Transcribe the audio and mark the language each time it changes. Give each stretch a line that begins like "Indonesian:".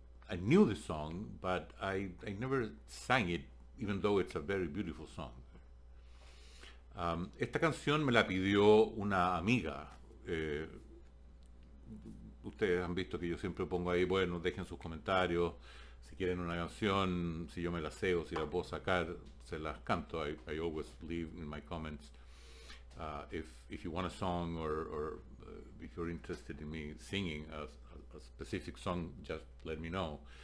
English: I knew the song, but I never sang it, even though it's a very beautiful song.
Spanish: Esta canción me la pidió una amiga. Ustedes han visto que yo siempre pongo ahí, bueno, dejen sus comentarios. Si quieren una canción, si yo me la sé o si la puedo sacar, se las canto.
English: I always leave in my comments. If you want a song or if you're interested in me singing a specific song, just let me know.